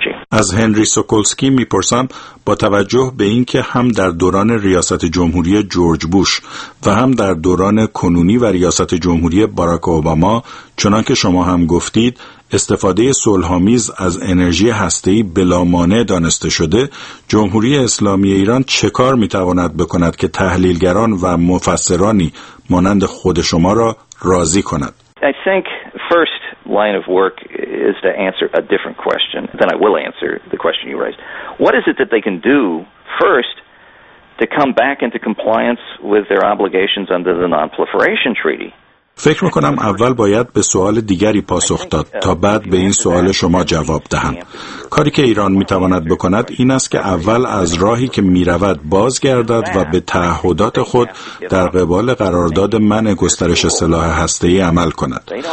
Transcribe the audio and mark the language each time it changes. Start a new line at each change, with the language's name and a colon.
Persian: از هنری سوکالسکی میپرسم با توجه به اینکه هم در دوران ریاست جمهوری جورج بوش و هم در دوران کنونی و ریاست جمهوری باراک اوباما چنان که شما هم گفتید استفاده صلح‌آمیز از انرژی هسته‌ای بلا مانع دانسته شده، جمهوری اسلامی ایران چه کار میتواند بکند که تحلیلگران و مفسرانی مانند خود شما را راضی کند؟
English: Line of work is to answer a different question than I will answer the question you raised. What is it that they can do first to come back into compliance with their obligations under the Non-Proliferation Treaty?
Persian: فکر میکنم اول باید به سوال دیگری پاسخ داد تا بعد به این سوال شما جواب دهم. کاری که ایران میتواند بکند این است که اول از راهی که میرود بازگردد و به تعهدات خود در قبال قرارداد منع گسترش سلاح هسته‌ای عمل کند.